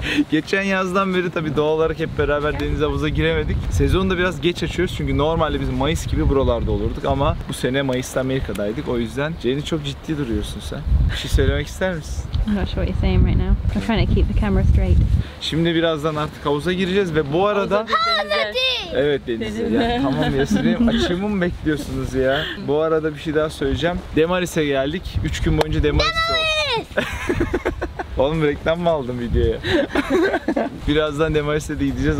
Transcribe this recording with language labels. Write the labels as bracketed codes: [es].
[tr] Geçen yazdan beri tabii doğal olarak hep beraber deniz havuza giremedik. Sezonu da biraz geç açıyoruz çünkü normalde biz Mayıs gibi buralarda olurduk ama bu sene Mayıs'ta Amerika'daydık. O yüzden Jenny çok ciddi duruyorsun sen. Bir şey söylemek ister misin? [en] I'm not sure what you're saying right now. I'm trying to keep the camera straight. [tr] Şimdi birazdan artık havuza gireceğiz ve bu arada... Evet Deniz'e. Ya, tamam yesireyim. Açımı mı bekliyorsunuz ya? Bu arada bir şey daha söyleyeceğim. Demaris'e geldik. 3 gün boyunca Demaris'te olduk. Oğlum reklam mı aldın videoya? Birazdan Demaris'e de gideceğiz.